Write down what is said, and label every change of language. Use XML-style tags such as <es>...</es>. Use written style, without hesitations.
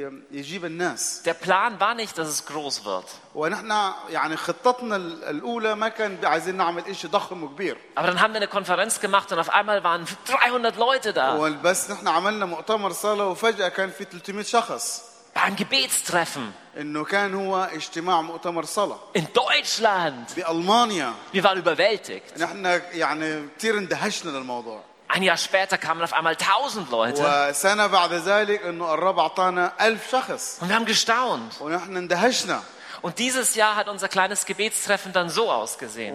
<de>Der Plan war nicht, dass es groß wird. Aber dann haben wir eine Konferenz gemacht und auf einmal waren 300 Leute da.</de> <ar>بس نحن عملنا مؤتمر صالة وفجأة كان في 300 شخص.</ar> <de>Beim Gebetstreffen.</de> <ar>إنه كان هو اجتماع مؤتمر صلاة.</ar> <de>In Deutschland.</de> <ar>بألمانيا.</ar> <de>Wir waren überwältigt.</de> <ar>نحن يعني كتير اندهشنا للموضوع.</ar> <de>Ein Jahr später kamen auf einmal 1000 Leute.</de> <ar>وسنة بعد ذلك إنه الرب أعطانا 1000 شخص.</ar> <de>Und wir haben gestaunt.</de> <ar>ونحن اندهشنا.</ar> <de>Und dieses Jahr hat unser kleines Gebetstreffen dann so ausgesehen.</de>